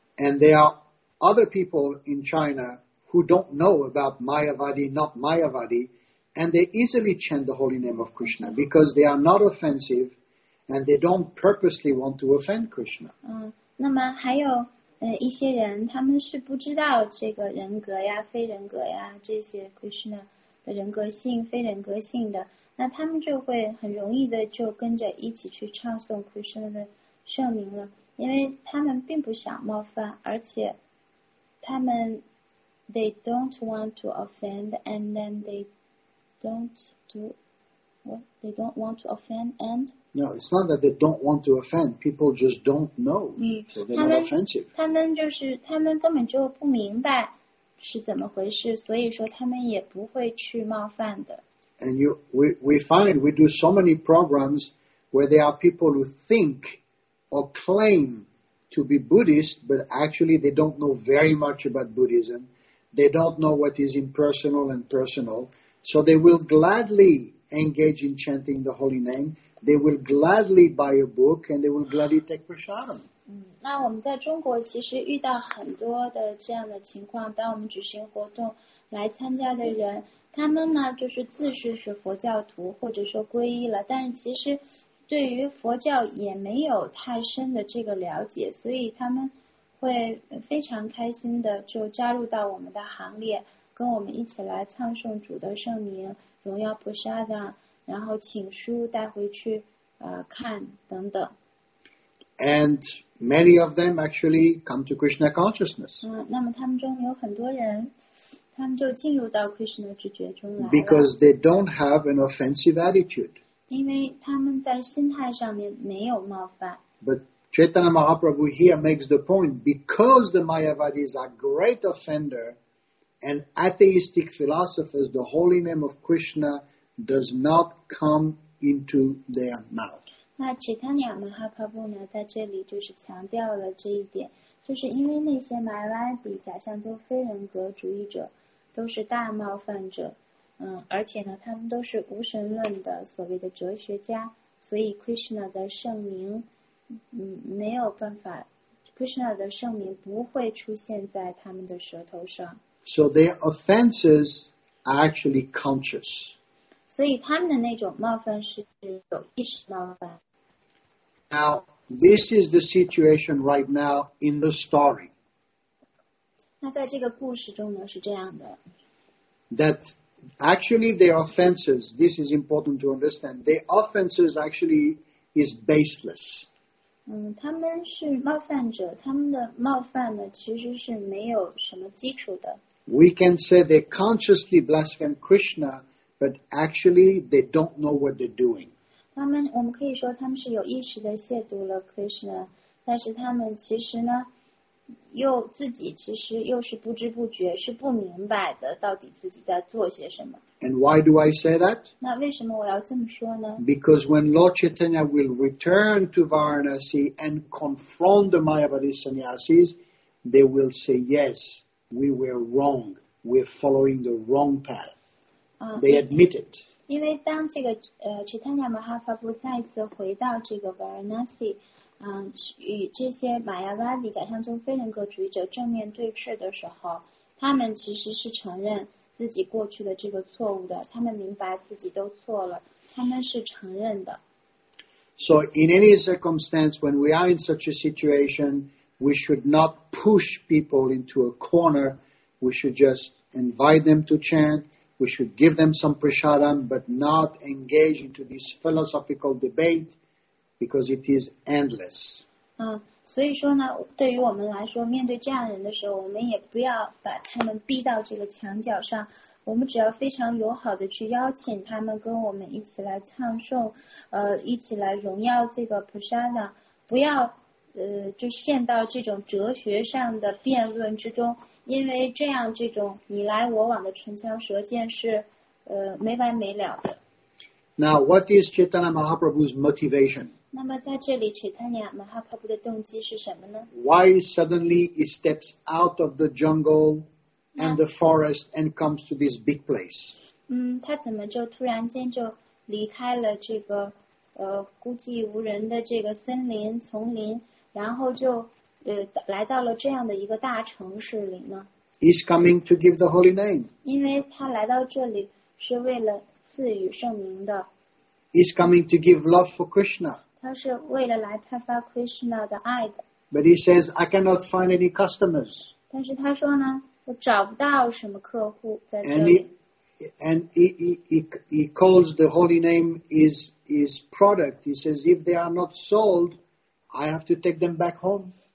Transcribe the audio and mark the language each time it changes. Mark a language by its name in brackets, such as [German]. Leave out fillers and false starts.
[English] And there are other people in China who don't know about Mayavadi, not Mayavadi,And they easily chant the holy name of Krishna because they are not offensive and they don't purposely want to offend Krishna. [Chinese] 那么还有一些人他们是不知道这个人格呀非人格呀这些 Krishna 的人格性非人格性的，那他们就会很容易的就跟着一起去唱诵 Krishna 的圣名了，因为他们并不想冒犯，而且他们 [English] they don't want to offend [Chinese] and then they don't want to offend. [English] No, it's not that they don't want to offend. People just don't know. So they're not offensive. [Chinese] 他们就是他们根本就不明白是怎么回事，所以说他们也不会去冒犯的。 [English] And we find we do so many programs where there are people who think or claim to be Buddhist, but actually they don't know very much about Buddhism. They don't know what is impersonal and personal. So they will gladly engage in chanting the holy name. They will gladly buy a book and they will gladly take prasadam. [Chinese] 那我们在中国其实遇到很多的这样的情况，当我们举行活动来参加的人，他们呢就是自视是佛教徒或者说皈依了，但是其实对于佛教也没有太深的这个了解，所以他们会非常开心的就加入到我们的行列。跟我们一起来唱诵主的圣名，荣耀菩萨的，然后请书带回去，看等等。 [English] And many of them actually come to Krishna consciousness. [Chinese] 那么他们中有很多人，他们就进入到 Krishna 知觉中来了。 [English] Because they don't have an offensive attitude. [Chinese] 因为他们在心态上面没有冒犯。 [English] But Chaitanya Mahaprabhu here makes the point because the Mayavadis are great offender. And atheistic philosophers, the holy name of Krishna does not come into their mouth. [Chinese] 那 Chaitanya Mahaprabhu 呢，在这里就是强调了这一点，就是因为那些 Mayavadi 假象都非人格主义者，都是大冒犯者，而且呢，他们都是无神论的所谓的哲学家，所以 Krishna 的圣名，没有办法 ，Krishna 的圣名不会出现在他们的舌头上。 [English] So their offenses are actually conscious. [Chinese] 所以他们的那种冒犯是有意识冒犯。 [English] Now, this is the situation right now in the story. [Chinese] 那在这个故事中呢，是这样的。 [English] That actually their offenses, this is important to understand, their offenses actually is baseless. [Chinese] 他们是冒犯者，他们的冒犯呢，其实是没有什么基础的。 [English] We can say they consciously blaspheme Krishna, but actually they don't know what they're doing. [Chinese] 我们可以说他们是有意识的亵渎了 Krishna, 但是他们其实呢，又自己其实又是不知不觉，是不明白的，到底自己在做些什么。 [English] And why do I say that? [Chinese] 那为什么我要这么说呢？ [English] Because when Lord Chaitanya will return to Varanasi and confront the Mayavadi sannyasis, they will say yes. We were wrong. We're following the wrong path. They admit it. [Chinese] 因为当这个Chaitanya Mahaprabhu 再次回到这个 Varanasi, 与这些 Mayavadi 假象中非人格主义者正面对峙的时候，他们其实是承认自己过去的这个错误的，他们明白自己都错了，他们是承认的。 [English] So in any circumstance, when we are in such a situation, we should not push people into a corner. We should just invite them to chant. We should give them some prasadam, but not engage into this philosophical debate because it is endless. [Chinese] 所以说呢，对于我们来说，面对这样的人的时候，我们也不要把他们逼到这个墙角上。我们只要非常友好的去邀请他们跟我们一起来唱诵，一起来荣耀这个菩萨呢，不要就陷到这种哲学上的辩论之中，因为这样这种你来我往的唇枪舌剑是没完没了的。 [English] Now, what is Chaitanya Mahaprabhu's motivation? [Chinese] 那么在这里 Chaitanya Mahaprabhu 的动机是什么呢？ [English] Why suddenly he steps out of the jungle? And the forest, and comes to this big place. [Chinese] 他怎么就突然间就离开了这个孤寂无人的这个森林丛林，然后就来到了这样的一个大城市里呢？ [English] He's coming to give the holy name. [Chinese] 因为他来到这里是为了赐予圣名的。 [English] He's coming to give love for Krishna. [Chinese] 他是为了来派发 Krishna 的爱的。 [English] But he says, I cannot find any customers. [Chinese] 但是他说呢？我找不到什么客户在这里。 [English] And he calls the holy name his product. He says if they are not sold, I have to take them back home.